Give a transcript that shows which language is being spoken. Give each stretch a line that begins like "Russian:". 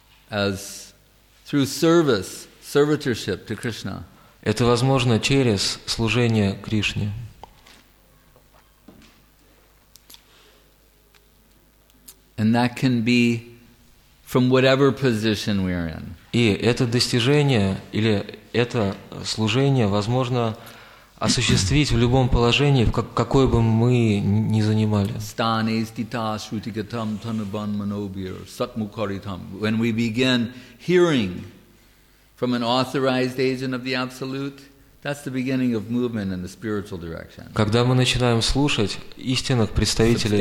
English: Through service, servitorship to Krishna.
Russian: Это возможно через служение Кришне.
English: And that can be from whatever position we are in.
Russian: И это достижение или это служение возможно осуществить в любом положении, какое бы мы ни занимали.
Sanskrit: Стане стита шутикатам танабан манобир сатмукаритам.
English: When we begin hearing from an authorized agent of the Absolute, that's the beginning of movement in the spiritual direction.
Russian: Когда мы начинаем слушать истинных представителей,